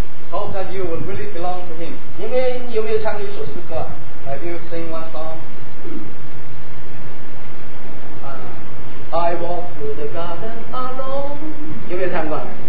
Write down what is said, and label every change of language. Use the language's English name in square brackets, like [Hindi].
[English] Hope that you will really belong to him. [Chinese] 你们有没有唱一首诗歌？ [English] Have you sing one song? I walk through the garden alone.